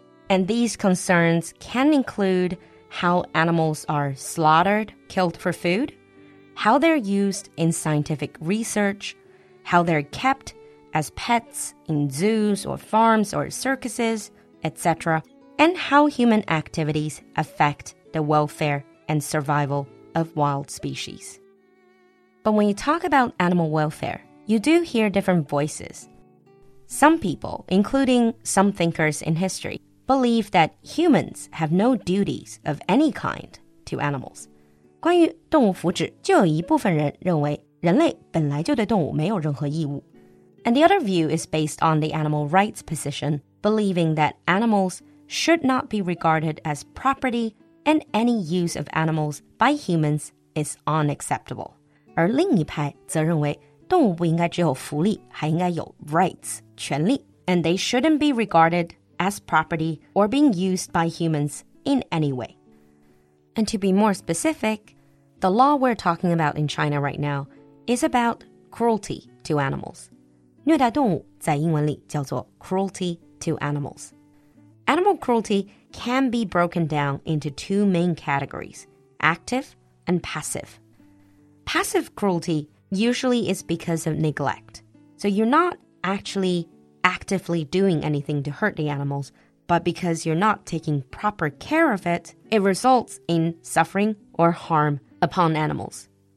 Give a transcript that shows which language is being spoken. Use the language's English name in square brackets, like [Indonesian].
[English] And these concerns can include how animals are slaughtered, killed for food,how they're used in scientific research, how they're kept as pets in zoos or farms or circuses, etc., and how human activities affect the welfare and survival of wild species. But when you talk about animal welfare, you do hear different voices. Some people, including some thinkers in history, believe that humans have no duties of any kind to animals. [Chinese] 关于动物福祉，就有一部分人认为人类本来就对动物没有任何义务。 [English] And the other view is based on the animal rights position, believing that animals should not be regarded as property and any use of animals by humans is unacceptable. [Chinese] 而另一派则认为动物不应该只有福利，还应该有 rights, 权利。 [English] And they shouldn't be regarded as property or being used by humans in any way. And to be more specific, the law we're talking about in China right now is about cruelty to animals. [Chinese] 虐待动物在英文里叫做 [English] cruelty to animals. Animal cruelty can be broken down into two main categories, active and passive. Passive cruelty usually is because of neglect. So you're not actually actively doing anything to hurt the animals,But because you're not taking proper care of it, it results in suffering or harm upon animals.